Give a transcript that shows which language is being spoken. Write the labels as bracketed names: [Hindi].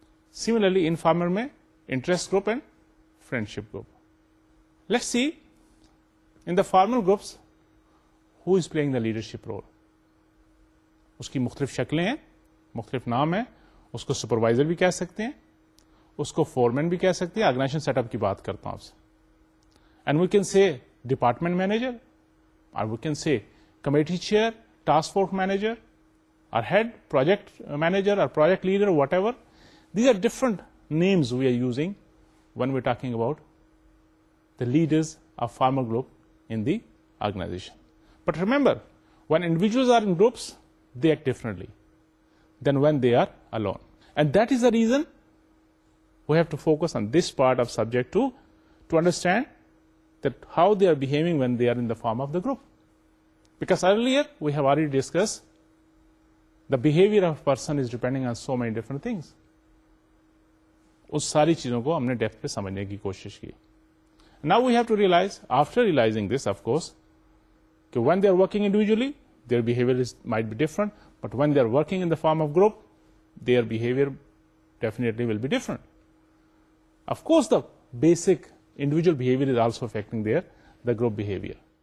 [English] Similarly informal mein interest group and friendship group. Let's see in the formal groups who is playing the leadership role. [Urdu] اس کی مختلف شکلیں ہیں, مختلف نام ہیں, اس کو سپروائزر بھی کہہ سکتے ہیں, اس کو فورمین بھی کہہ سکتے ہیں. [English] organization set up [Urdu] کی بات کرتا ہوں آپ سے, [English] And we can say department manager, اور we can say committee chair, task force manager, our head, project manager, our project leader, whatever. These are different names we are using when we're talking about the leaders of pharma group in the organization. But remember, when individuals are in groups, they act differently than when they are alone. And that is the reason we have to focus on this part of subject two to understand that how they are behaving when they are in the form of the group. Because earlier, we have already discussed the behavior of a person is depending on so many different things. [Urdu] اس ساری چیزوں کو ہم نے depth پہ سمجھنے کی کوشش کی. [English] Now we have to realize, after realizing this, of course, [Urdu] کہ [English] when they are working individually, their behavior might be different, but when they are working in the form of group, their behavior definitely will be different. Of course, the basic individual behavior is also affecting the group behavior.